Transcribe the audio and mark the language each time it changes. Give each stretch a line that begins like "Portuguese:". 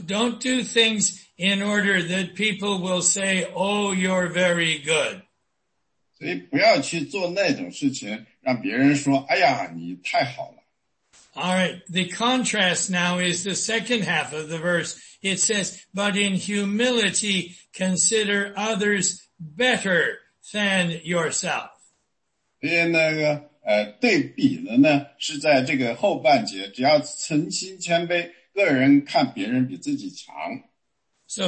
English: don't do things in order that people will say, oh, you're very good.
Chinese: 所以不要去做那种事情，让别人说，哎呀，你太好了。
English: All right, the contrast now is the second half of the verse. It says, but in humility, consider others better than yourself.
Chinese: 所以那个对比的呢，是在这个后半节，只要存心谦卑，个人看别人比自己强。
English: So